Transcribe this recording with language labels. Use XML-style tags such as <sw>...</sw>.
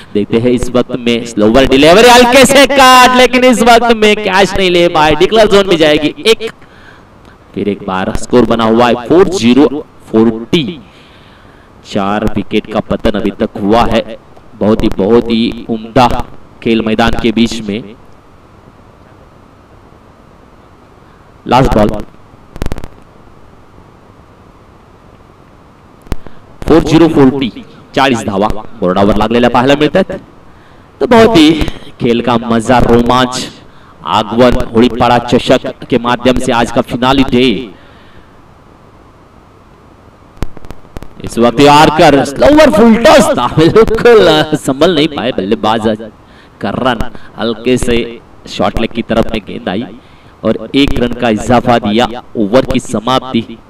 <hi>देखते हैं इस वक्त में स्लो ओवर डिलीवरी हल्के से काट, लेकिन इस वक्त में कैच नहीं ले पाए, डिक्लेयर जोन में जाएगी 1। फिर एक बार स्कोर बना हुआ है 40-40, 4 विकेट का पतन अभी तक हुआ है। बहुत ही उम्दा खेल मैदान के बीच में।</hi> <mr>लास्ट बॉल 40-40, 40 धावा बोर्डावर लागलेल्या पाहायला मिळतात।</mr> <hi>तो बहुत ही खेल का मजा, रोमांच, आगवन, होड़ी पाड़ा चषक के माध्यम से आज का फिनाली डे। इस वक्त आर्कर स्लोवर फुल टॉस था, बिल्कुल संभल नहीं पाए बल्लेबाज करन, हल्के से शॉट लेग की तरफ में गेंद आई और 1 रन का इजाफा दिया ओवर की समाप्ति।</hi>